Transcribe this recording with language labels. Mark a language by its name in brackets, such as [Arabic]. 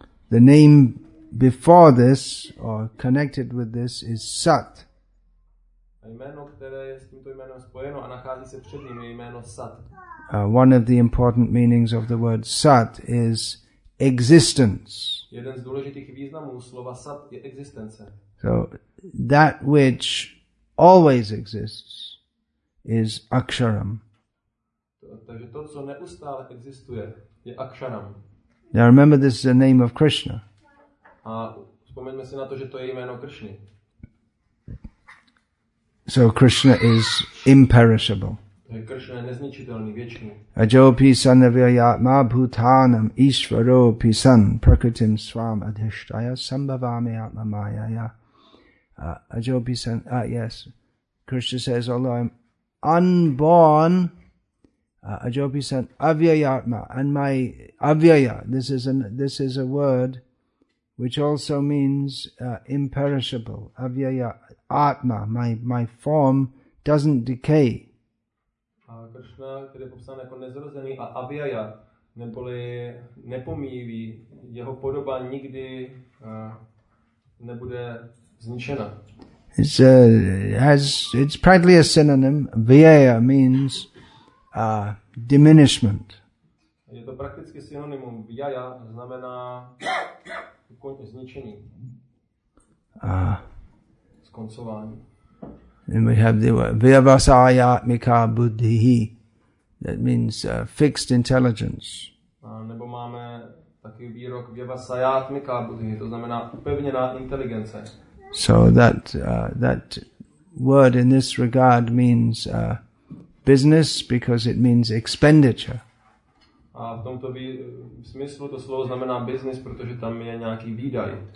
[English] The name before this, or connected with this, is Sat. [Czech] A jméno, které je s tímto jménem spojeno a nachází se před ním, je jméno Sat. [English] One of the important meanings of the word Sat is existence. [Czech] Jeden z důležitých významů slova Sat je existence. [English] So that which always exists is Aksharam. [Czech] Takže to, co neustále existuje, je Aksharam. [English] Now remember, this is the name of Krishna. [Czech] A vzpomeňme si na to, že to je jméno Krishny. [English] So Krishna is imperishable. [Czech] Takže Krishna je nezničitelný, věčný. [Sanskrit] Ajopi sanavyatma bhutanam ishvaro pisan prakritim svam adhishtaya sambhavami atma mayaya. Ajopi san, [English] yes. Krishna says, although I'm unborn, [Sanskrit] Ajopi san avyayatma, [English] and my avyaya, this is a word which also means imperishable, avyaya atma, my form doesn't decay. [Czech] Krishna, který je popsán jako nezrozený, a avyaya, neboli nepomíjivý, jeho podoba nikdy nebude zničena. [English] It's practically a synonym. Avyaya means diminishment. [Czech] Je to prakticky synonymum. Vyaya znamená zničení. Skoncování. [English] And we have the word vyavasayatmika buddhihi. That means fixed intelligence. [Czech] Nebo máme taky výrok vyavasayatmika buddhihi. To znamená upevněná inteligence. [English] So that word in this regard means business, because it means expenditure. [Czech] A v tomto smyslu to slovo znamená business, protože tam je nějaký výdaj.